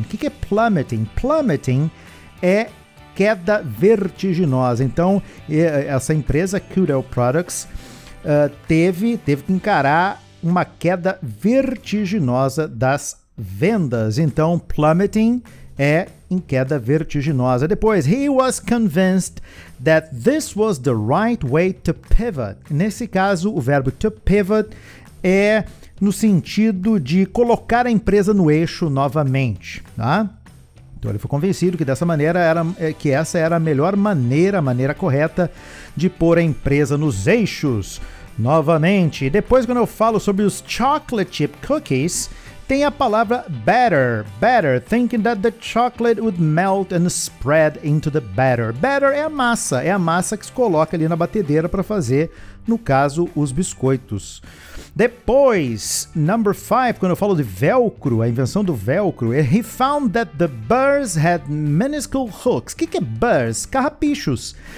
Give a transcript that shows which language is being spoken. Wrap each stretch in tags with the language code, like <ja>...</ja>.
<pt>O que é plummeting? Plummeting é queda vertiginosa. Então, essa empresa, Kudo Products, teve que encarar uma queda vertiginosa das vendas. Então, plummeting é em queda vertiginosa.</pt> <en>Depois, he was convinced that this was the right way to pivot.</en> <pt>Nesse caso, o verbo to pivot é no sentido de colocar a empresa no eixo novamente, tá? Então, ele foi convencido que dessa maneira era, que essa era a melhor maneira, a maneira correta de pôr a empresa nos eixos novamente. Depois, quando eu falo sobre os chocolate chip cookies, tem a palavra batter.</pt> <en>Batter, thinking that the chocolate would melt and spread into the batter.</en> <pt>Batter é a massa. É a massa que se coloca ali na batedeira para fazer, no caso, os biscoitos. Depois, number five, quando eu falo de velcro, a invenção do velcro,</pt> <en>he found that the burrs had minuscule hooks.</en> <pt>O que, que é burrs? Carrapichos.</pt>